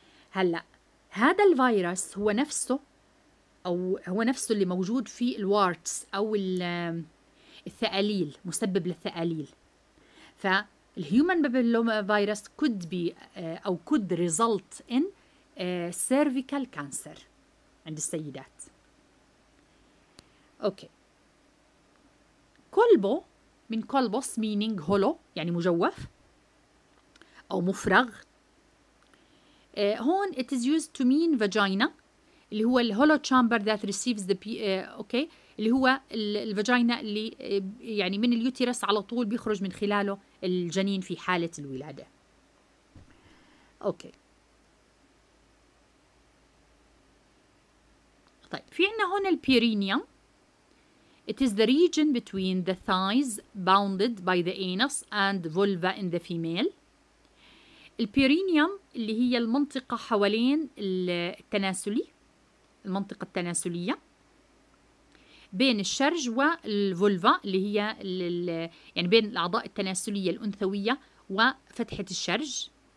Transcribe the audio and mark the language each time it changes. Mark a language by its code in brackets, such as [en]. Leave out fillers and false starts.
[ar] هلأ هذا الفيروس هو نفسه أو هو نفسه اللي موجود في الوارتس أو الثقاليل، مسبب للثقاليل. فالهيومن بابلوما فيروس [en] could be [ar] أو [en] could result in cervical cancer [ar] عند السيدات. أوكي. كولبو من كولبوس [en] meaning hollow [ar] يعني مجوف أو مفرغ. هون [en] it is used to mean vagina [ar] اللي هو [en] the hollow chamber that receives the okay [ar] اللي هو الفاجينا اللي يعني من اليوترس على طول بيخرج من خلاله الجنين في حالة الولادة. أوكي. طيب في عنا هون البيرينيوم، [en] it is the region between the thighs bounded by the anus and vulva in the female. [ar] البيرينيوم اللي هي المنطقة حوالين التناسلي، المنطقة التناسلية بين الشرج والفولفا اللي هي يعني بين الأعضاء التناسلية الأنثوية وفتحة الشرج.